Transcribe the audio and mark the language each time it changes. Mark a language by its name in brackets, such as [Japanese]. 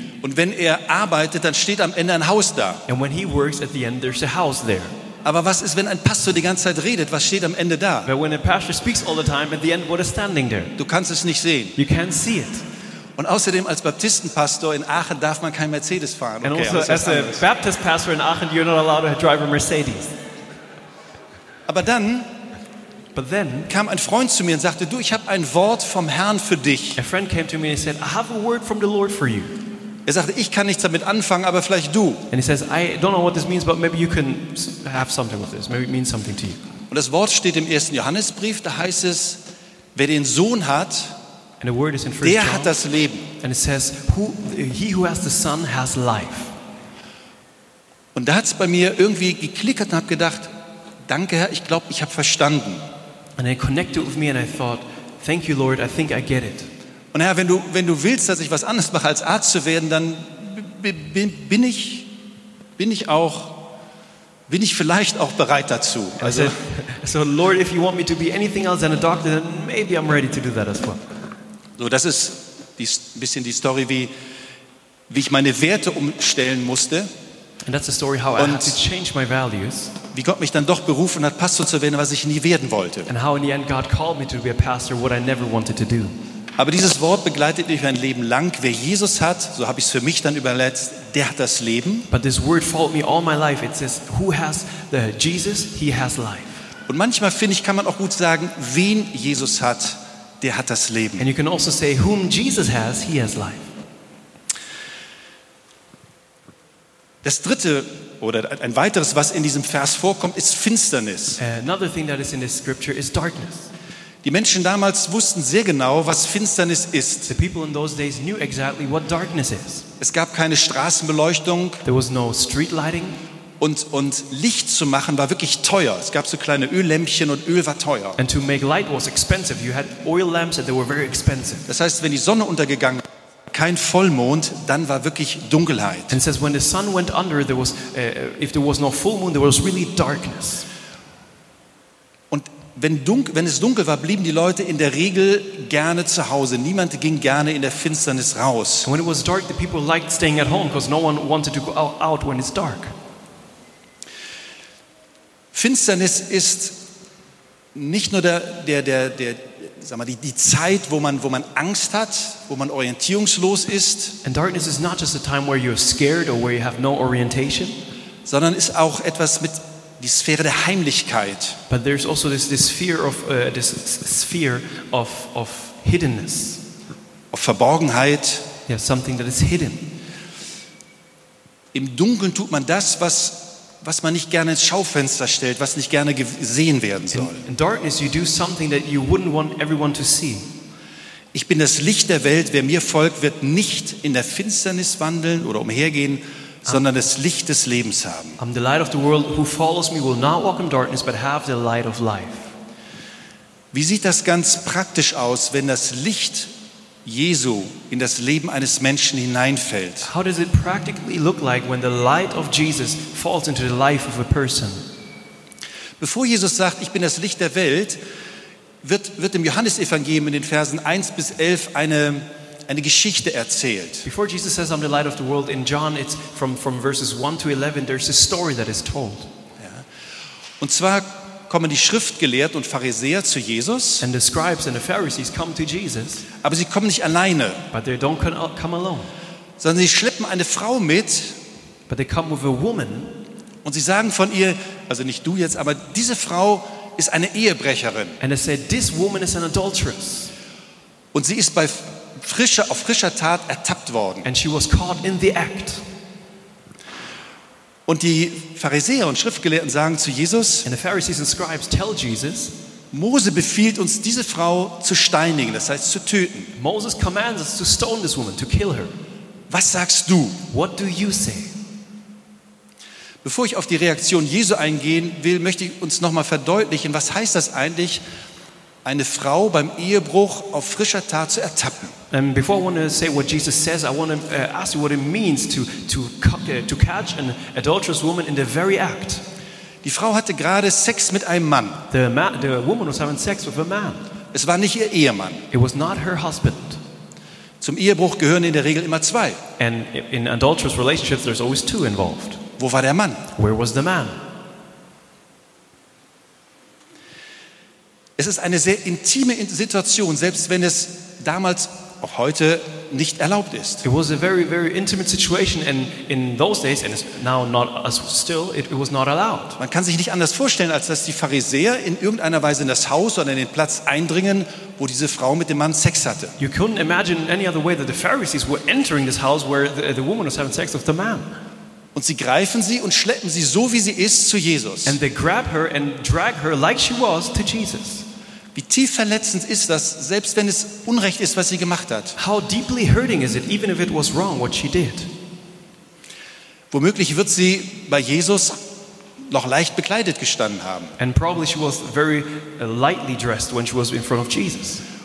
[German] Und wenn er arbeitet, dann steht am Ende ein Haus da. [English] And when he works, at the end there's a house there. [German] Aber was ist, wenn ein Pastor die ganze Zeit redet? Was steht am Ende da? [English] But when a pastor speaks all the time, at the end what is standing there? [German] Du kannst es nicht sehen. [English] You can't see it. [German] Und außerdem als Baptistenpastor in Aachen darf man kein Mercedes fahren. [English] And also as a Baptist pastor in Aachen, you're not allowed to drive a Mercedes. [German] Aber dann kam ein Freund zu mir und sagte, du, ich habe ein Wort vom Herrn für dich. [English] A friend came to me and said, I have a word from the Lord for you. [German] Er sagte, ich kann nichts damit anfangen, aber vielleicht du. [English] And he says, I don't know what this means, but maybe you can have something with this. Maybe it means something to you. [German] Und das Wort steht im ersten Johannesbrief, da heißt es, wer den Sohn hat, [English] and the word is in [German] 1 John, der hat das Leben. [English] And it says, he who has the Son has life. [German] Und da hat es bei mir irgendwie geklickert und habe gedacht, danke, Herr, ich glaube, ich habe verstanden. [English] And I connected with me and I thought, thank you, Lord, I think I get it. [German] Und Herr, wenn du willst, dass ich was anderes mache als Arzt zu werden, dann bin ich vielleicht auch bereit dazu. [English] Also, so Lord, if you want me to be anything else than a doctor, then maybe I'm ready to do that as well. [German] So, das ist ein bisschen die Story, wie ich meine Werte umstellen musste. [English] And that's the story how [German] und [English] I had to change my values. [German] Wie Gott mich dann doch berufen hat, Pastor zu werden, was ich nie werden wollte. [English] And how in the end God called me to be a pastor, what I never wanted to do. [German] Aber dieses Wort begleitet mich mein Leben lang. Wer Jesus hat, so habe ich es für mich dann überletzt, der hat das Leben. [English] But this word followed me all my life. It says, who has the Jesus, he has life. [German] Und manchmal finde ich, kann man auch gut sagen, wen Jesus hat, der hat das Leben. [English] And you can also say, whom Jesus has, he has life. [German] Das dritte oder ein weiteres, was in diesem Vers vorkommt, ist Finsternis. [English] Another thing that is in this scripture is darkness. [German] Die Menschen damals wussten sehr genau, was Finsternis ist. [English] The people in those days knew exactly what darkness is. [German] Es gab keine Straßenbeleuchtung. [English] There was no street lighting. [German] Und Licht zu machen war wirklich teuer. Es gab so kleine Öllämpchen und Öl war teuer. [English] And to make light was expensive. You had oil lamps and they were very expensive. [German] Das heißt, wenn die Sonne untergegangen war, kein Vollmond, dann war wirklich Dunkelheit. [English] And it says when the sun went under, there was if there was no full moon, there was really darkness. [German] Und wenn es dunkel war, blieben die Leute in der Regel gerne zu Hause. Niemand ging gerne in der Finsternis raus. [English] And when it was dark, the people liked staying at home because no one wanted to go out when it's dark. [German] Finsternis ist nicht nur der sag mal, die Zeit, wo man Angst hat, wo man orientierungslos ist. [English] And darkness is not just a time where you're scared or where you have no orientation. [German] Sondern ist auch etwas mit die Sphäre der Heimlichkeit. [English] But there's also this sphere of hiddenness. [German] Auf Verborgenheit. [English] Yeah, something that is hidden. [German] Im Dunkeln tut man das, was was man nicht gerne ins Schaufenster stellt, was nicht gerne gesehen werden soll. [English] In darkness you do something that you wouldn't want everyone to see. [German] Ich bin das Licht der Welt. Wer mir folgt, wird nicht in der Finsternis wandeln oder umhergehen, sondern das Licht des Lebens haben. [English] I'm the light of the world. Who follows me will not walk in darkness, but have the light of life. [German] Wie sieht das ganz praktisch aus, wenn das Licht Jesu in das Leben eines Menschen hineinfällt? [English] How does it practically look like when the light of Jesus falls into the life of a person? [German] Bevor Jesus sagt, ich bin das Licht der Welt, wird im Johannesevangelium in den Versen 1 bis 11 eine Geschichte erzählt. [English] Before Jesus says I'm the light of the world, in John it's from verses 1 to 11 there's a story that is told. [German] Ja. Und zwar kommen die Schriftgelehrten und Pharisäer zu Jesus. [English] And the scribes and the Pharisees come to Jesus. [German] Aber sie kommen nicht alleine. [English] But they don't come alone. [German] Sondern sie schleppen eine Frau mit. [English] But they come with a woman. [German] Und sie sagen von ihr, also nicht du jetzt, aber diese Frau ist eine Ehebrecherin. [English] And they said, this woman is an adulteress. [German] Und sie ist bei frischer Tat ertappt worden. [English] And she was caught in the act. [German] Und die Pharisäer und Schriftgelehrten sagen zu Jesus, [English] and the Pharisees and scribes tell Jesus, [German] Mose befiehlt uns, diese Frau zu steinigen, das heißt zu töten. [English] Moses commands us to stone this woman, to kill her. [German] Was sagst du? [English] What do you say? [German] Bevor ich auf die Reaktion Jesu eingehen will, möchte ich uns nochmal verdeutlichen, was heißt das eigentlich, eine Frau beim Ehebruch auf frischer Tat zu ertappen. [English] And before I want to say what Jesus says, I want to ask you what it means to catch an adulterous woman in the very act. [German] Die Frau hatte gerade Sex mit einem Mann. [English] The woman was having sex with a man. [German] Es war nicht ihr Ehemann. [English] It was not her husband. [German] Zum Ehebruch gehören in der Regel immer zwei. [English] And in adulterous relationships, there's always two involved. [German] Wo war der Mann? [English] Where was the man? [German] Es ist eine sehr intime Situation, selbst wenn es damals auch heute nicht erlaubt ist. [English] It was a very, very intimate situation, and in those days, and it's now not as still, it was not allowed. [German] Man kann sich nicht anders vorstellen, als dass die Pharisäer in irgendeiner Weise in das Haus oder in den Platz eindringen, wo diese Frau mit dem Mann Sex hatte. [English] You couldn't imagine any other way that the Pharisees were entering this house where the woman was having sex with the man. [German] Und sie greifen sie und schleppen sie so wie sie ist zu Jesus. [English] And they grab her and drag her like she was to Jesus. [German] Wie tief verletzend ist das, selbst wenn es unrecht ist, was sie gemacht hat? [English] How deeply hurting is it, even if it was wrong what she did? [German] Womöglich wird sie bei Jesus noch leicht bekleidet gestanden haben. [English] And probably she was very lightly dressed when she was in front of Jesus.